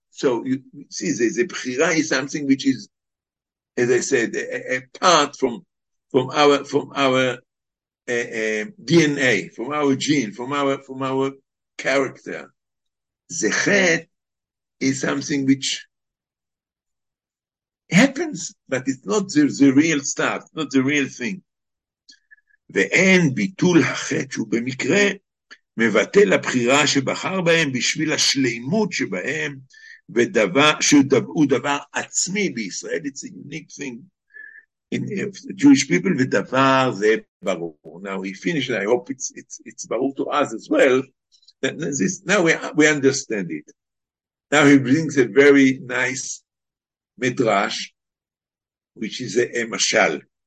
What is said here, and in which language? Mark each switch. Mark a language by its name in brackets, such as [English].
[English] So you see, the bchira is something which is, as I said, apart from our DNA, from our gene, from our character. Zechet is something which happens, but it's not the real stuff, not the real thing. [Hebrew] ואין ביטול החטא שהוא במקרה מבטל הבחירה שבחר בהם בשביל השלימות שבהם שהוא דבר עצמי בישראל. [English] It's a unique thing in the Jewish people, [Hebrew] ודבר זה ברור. [English] Now we finish it. I hope it's ברור to us as well. This, now we understand it. Now he brings a very nice midrash, which is a mashal.